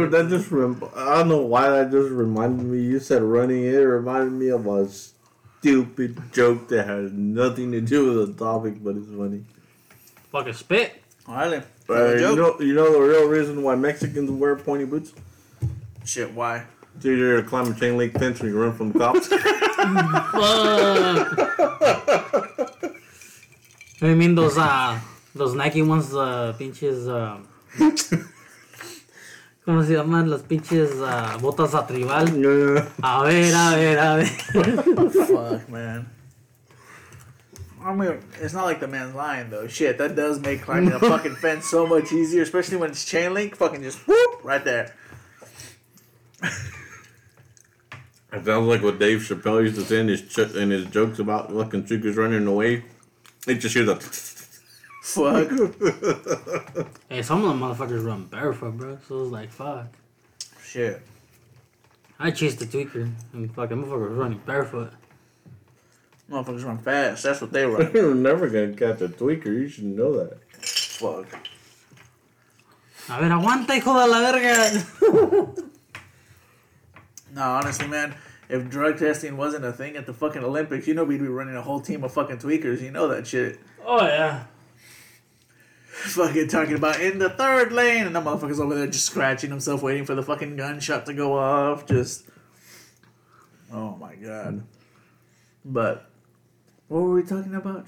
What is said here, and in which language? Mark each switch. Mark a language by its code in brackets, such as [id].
[en] I mean, that just I don't know why that just reminded me. You said running, it reminded me of a stupid joke that has nothing to do with the topic, but it's funny. Fucking spit. Really? You know the real reason why Mexicans wear pointy boots? Shit, why? So you're gonna climb a chain link fence when you run from cops? Fuck. You mean those Nike ones, the [es] pinches, ¿Cómo se llaman las pinches botas a tribal? [en] Yeah. [es] A ver. [en] Fuck, man. I mean, it's not like the man's lying, though. Shit, that does make climbing a fucking fence so much easier, especially when it's chain link. Fucking just whoop, right there. It sounds like what Dave Chappelle used to say in his jokes about fucking chickens running away. It just hear the... Fuck. Hey, some of the motherfuckers run barefoot, bro. So it was like, fuck. Shit. I chased the tweaker. And fucking motherfucker was running barefoot. Motherfuckers run fast. That's what they run. You're never gonna catch a tweaker. You should know that. Fuck. [es] A ver, aguanta, hijo de la verga. [en] No, honestly, man. If drug testing wasn't a thing at the fucking Olympics, you know we'd be running a whole team of fucking tweakers. You know that shit. Oh, yeah. fucking talking about in the third lane, and the motherfucker's over there just scratching himself, waiting for the fucking gunshot to go off. Just, oh my god. But what were we talking about?